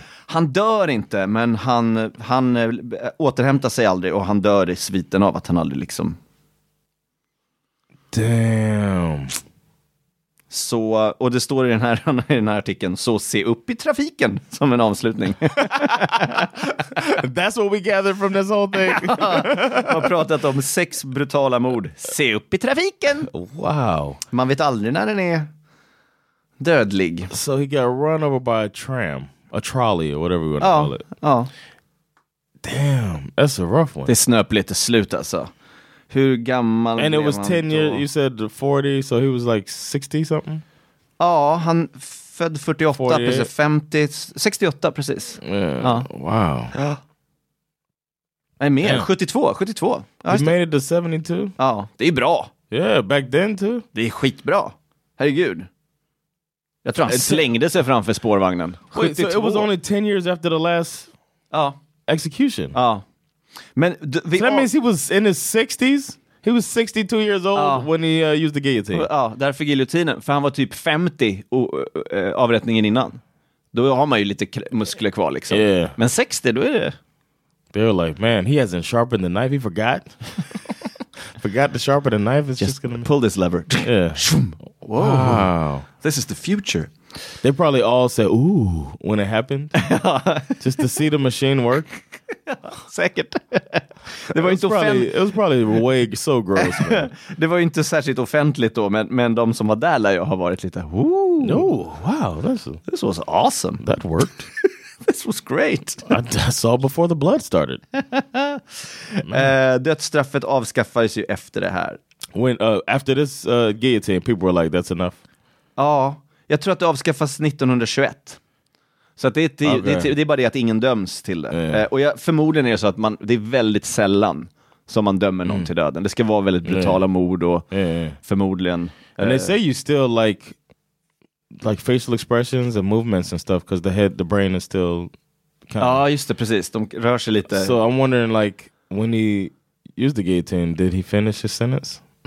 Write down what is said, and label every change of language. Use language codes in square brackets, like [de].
[sv] Han dör inte, men han återhämtar sig aldrig, och han dör i sviten av att han aldrig liksom... [en] Damn. [sv] Så, och det står i den här artikeln, så se upp i trafiken, som en avslutning. [en] That's what we gather from this whole thing. [sv] Ja, har pratat om 6 brutala mord. Se upp i trafiken. [en] Wow. [sv] Man vet aldrig när den är dödlig. [en] So he got run over by a tram, a trolley or whatever you want to call it. [sv] Ja. [en] Damn, that's a rough one. [sv] Det snöp lite slut alltså. Hur gammal [en] And it was 10 years, you said 40, so he was like 60-something? [sv] Ja, han född 48, 48. Precis, 50, 68 precis. [en] Yeah. [sv] Ja. [en] Wow. [sv] Ja. Nej, mer, 72. [en] Ja, he made it to 72? [sv] Ja, det är bra. [en] Yeah, back then too. [sv] Det är skitbra. Herregud. Jag tror han slängde sig framför spårvagnen. 72. [en] Wait, so it was only 10 years after the last execution? [sv] Ja. Men [en] so that means he was in his 60s. He was 62 years old when he used the guillotine. [sv] Ja, därför guillotinen. För han var typ 50 avrättningen innan. Då har man ju lite muskler kvar liksom. [en] Yeah. [sv] Men 60, då är det. [en] They were like, man, he hasn't sharpened the knife. He forgot. Forgot to sharpen the knife. It's just gonna pull this lever. Yeah. Whoa. Wow. This is the future. They probably all said, ooh, when it happened. Just to see the machine work. [sv] Säkert. Det var inte [en] offentligt. It was probably way so gross. [sv] Det var inte särskilt offentligt då, men de som var där lär jag har varit lite, ooh. [en] No, wow, this was awesome. That worked. This was great. I saw before the blood started. [sv] Dödsstraffet avskaffades ju efter det här. [en] When after this guillotine, people were like, that's enough. [sv] Ja, jag tror att det avskaffas 1921. Så att det är bara det att ingen döms till det. Yeah. Och förmodligen är det så att det är väldigt sällan som man dömer någon till döden. Det ska vara väldigt brutala mord och förmodligen. [en] And they say you still like facial expressions and movements and stuff because the brain is still kind [sv] of... Ja, just det, precis. De rör sig lite. [en] So I'm wondering, like, when he used the guillotine, did he finish his sentence?